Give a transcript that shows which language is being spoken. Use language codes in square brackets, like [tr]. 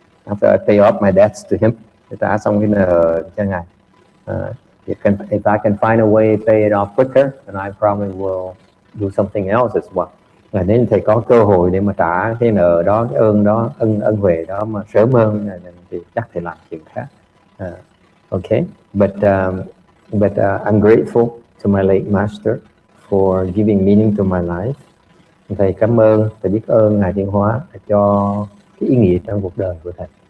[en] After I pay off my debts to him, if I can find a way to pay it off quicker, then I probably will do something else as well. [vi] Và nên thầy có cơ hội để mà trả cái nợ đó, cái ơn đó, ân huệ đó mà sớm hơn thì chắc thầy làm chuyện khác. [en] Okay, but I'm grateful to my late master for giving meaning to my life. [vi] Thầy cảm ơn, thầy biết ơn ngài Hsuan Hua cho cái ý nghĩa trong cuộc đời của thầy.